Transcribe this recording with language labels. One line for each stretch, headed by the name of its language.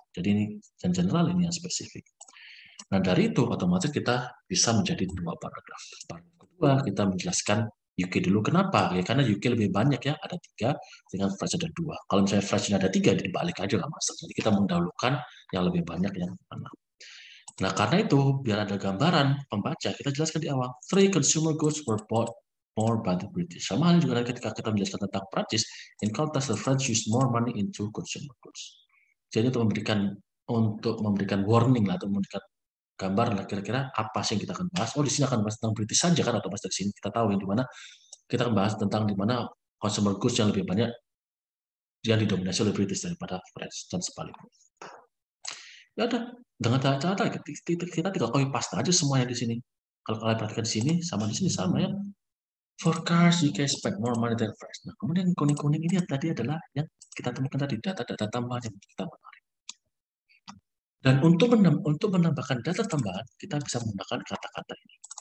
Indonesian: Jadi ini yang general, ini yang spesifik. Nah, dari itu otomatis kita bisa menjadi dua paragraf. Paragraf kedua kita menjelaskan UK dulu kenapa? Ya karena UK lebih banyak ya, ada tiga dengan fresh ada dua. Kalau misalnya fresh ada tiga, dibalik aja lah masalah. Jadi kita mendahulukan yang lebih banyak yang mana. Nah karena itu biar ada gambaran pembaca, kita jelaskan di awal.
English: Three consumer goods were bought more by the British.
Indonesian: Sama halnya juga ketika kita menjelaskan tentang Prancis,
English: in contrast the French used more money into consumer goods.
Indonesian: Jadi untuk memberikan warning lah, atau memberikan gambar lah kira-kira apa sih yang kita akan bahas. Oh, di sini akan bahas tentang British saja kan, atau pasti di sini kita tahu yang dimana kita akan bahas tentang di mana consumer goods yang lebih banyak yang didominasi oleh British daripada French dan sebaliknya. Ya udah, dengan cara-cara kita tinggal copy paste aja semuanya di sini. Kalau kalian perhatikan di sini sama ya.
English: For cars, you can expect more money than France.
Indonesian: Nah, kemudian kuning-kuning ini tadi adalah yang kita temukan tadi, data-data tambahan yang kita menarik. Dan untuk menambahkan data tambahan, kita bisa menggunakan kata-kata ini.